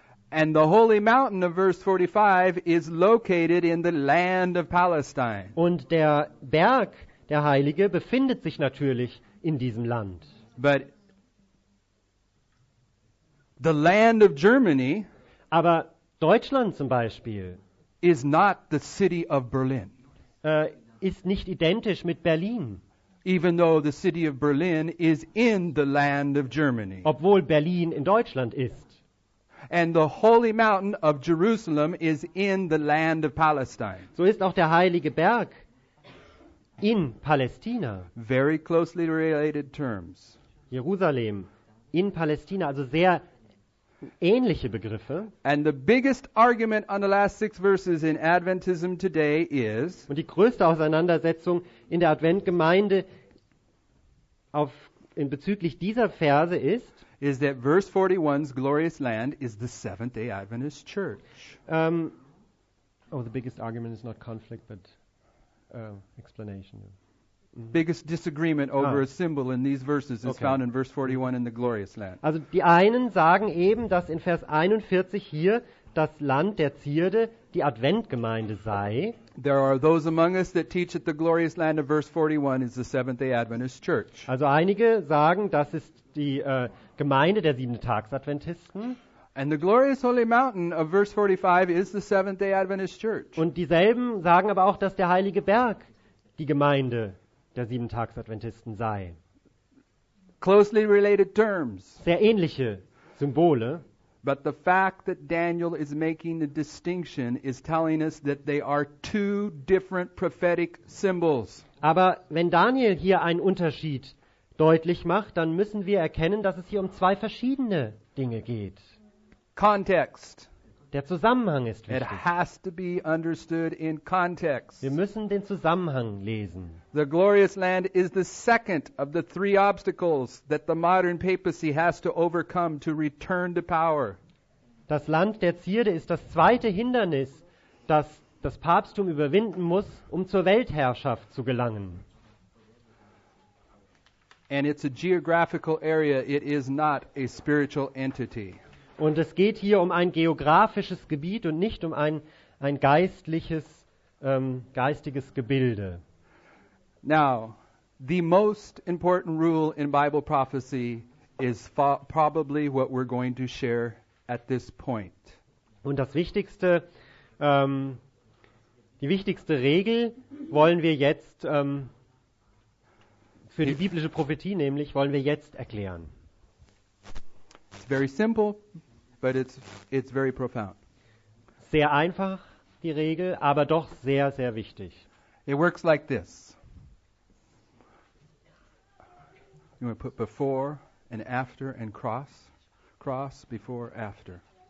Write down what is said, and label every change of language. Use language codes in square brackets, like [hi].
[en] And the holy mountain of verse 45 is located in the land of Palestine. [de] Und der Berg, der Heilige, befindet sich natürlich in diesem Land. [en] But the land of Germany, [de] aber Deutschland zum Beispiel, [en] is not the city of Berlin. [de] Ist nicht identisch mit Berlin. [en] Even though the city of Berlin is in the land of Germany. [de] Obwohl Berlin in Deutschland ist. [en] And the holy mountain of Jerusalem is in the land of Palestine. [de] So ist auch der heilige Berg in Palästina. [en] Very closely related terms. [de] Jerusalem in Palästina, also sehr ähnliche Begriffe. [en] And the biggest argument on the last six verses in Adventism today is, [de] und die größte Auseinandersetzung in der Adventgemeinde auf in bezüglich dieser Verse ist, [en] is that verse 41's glorious land is the Seventh-day Adventist Church. The biggest argument is not conflict, but explanation. Mm-hmm. Biggest disagreement over a symbol in these verses is found in verse 41 in the glorious land. [de] Also die einen sagen eben, dass in Vers 41 hier das Land der Zierde die Adventgemeinde sei. [en] There are those among us that teach that the glorious land of verse 41 is the Seventh-day Adventist Church. [de] Also einige sagen, das ist die Gemeinde der Siebentagsadventisten. [en] And the glorious holy mountain of verse 45 is the Seventh-day Adventist Church. [de] Und dieselben sagen aber auch, dass der heilige Berg die Gemeinde der Siebentagsadventisten sei. [en] Closely related terms. [de] Sehr ähnliche Symbole. [en] But the fact that Daniel is making the distinction is telling us that they are two different prophetic symbols. [de] Aber wenn Daniel hier einen Unterschied deutlich macht, dann müssen wir erkennen, dass es hier um zwei verschiedene Dinge geht. [en] Context. [de] Der Zusammenhang ist wichtig. [en] It has to be understood in context. [de] Wir müssen den Zusammenhang lesen. [en] The glorious land is the second of the three obstacles that the modern papacy has to overcome to return to power. [de] Das Land der Zierde ist das zweite Hindernis, das das Papsttum überwinden muss, um zur Weltherrschaft zu gelangen. [en] And it's a geographical area, it is not a spiritual entity. [de] Und es geht hier um ein geografisches Gebiet und nicht um ein geistliches, geistiges Gebilde. [en] Now, the most important rule in Bible prophecy is probably what we're going to share at this point. [de] Und das Wichtigste, die wichtigste Regel wollen wir jetzt für die biblische Prophetie, nämlich wollen wir jetzt erklären. [en] It's very simple. but it's very profound. [de] Sehr einfach die Regel, aber doch sehr sehr wichtig. [en] It works like this. You want to put before and after and cross, cross before after.